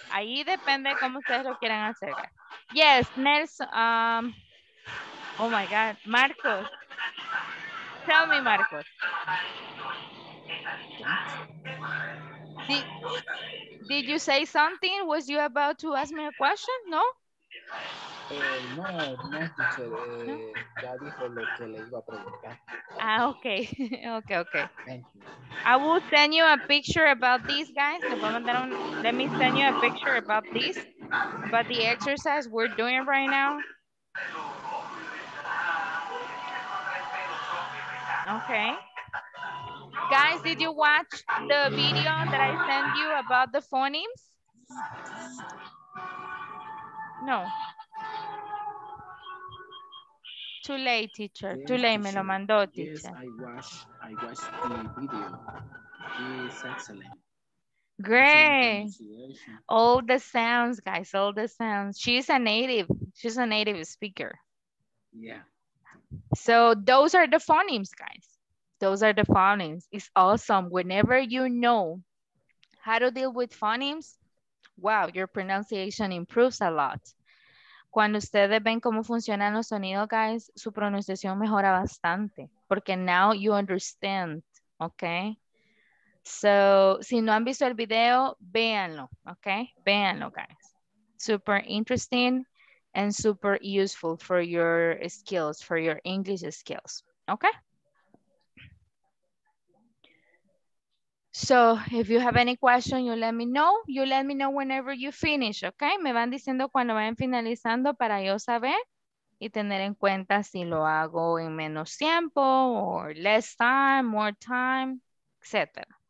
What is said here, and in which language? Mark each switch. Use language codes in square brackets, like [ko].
[es] Ahí depende cómo ustedes lo quieran hacer. Yes, Nelson. [en] Oh my God, Marcos. Tell me, Marcos. Did you say something? Was you about to ask me a question? No. [es] No, no, teacher, ya dijo lo que le iba a preguntar. [en] Ah, okay, okay, okay. Thank you. I will send you a picture about this, guys. Let me send you a picture about this, about the exercise we're doing right now. Okay. Guys, did you watch the video that I sent you about the phonemes? No. Too late, teacher. Yes, too late, teacher. [es] Me lo mandó, [en] teacher. Yes, I watched the video. It's excellent. Great. All the sounds, guys, all the sounds. She's a native speaker. Yeah. So those are the phonemes, guys. Those are the phonemes. It's awesome. Whenever you know how to deal with phonemes, wow, your pronunciation improves a lot. [es] Cuando ustedes ven cómo funcionan los sonidos, guys, su pronunciación mejora bastante. Porque [en] now you understand, [es] ¿ok? So, si no han visto el video, véanlo, ¿ok? [en] Véanlo, guys. Super interesting and super useful for your skills, for your English skills, ¿ok? So, if you have any question, you let me know. You let me know whenever you finish, okay? [es] Me van diciendo cuando vayan finalizando para yo saber y tener en cuenta si lo hago en menos tiempo [en] or less time, more time, [es] etc.